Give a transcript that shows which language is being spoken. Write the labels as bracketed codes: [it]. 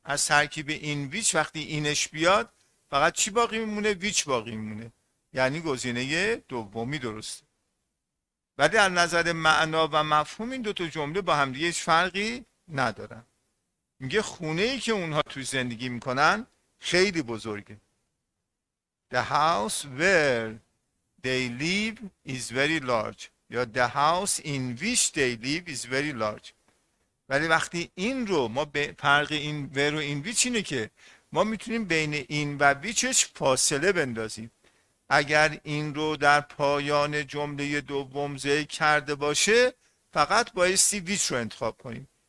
[fa] از ترکیب این ویچ وقتی اینش بیاد فقط چی باقی میمونه؟ ویچ باقی میمونه، یعنی گزینه دومی درسته. ولی از نظر معنا و مفهوم این دوتا جمله با هم دیگه هیچ فرقی ندارن. میگه خونه ای که اونها توی زندگی میکنن خیلی بزرگه. [en] The house where they live is very large. [fa] یا [en] the house in which they live is very large. [fa] ولی وقتی این رو ما فرق این where و این which اینه که ما میتونیم بین این و which فاصله بندازیم. اگر این رو در پایان جمله دوم ذکر کرده باشه فقط بایستی which رو انتخاب کنیم.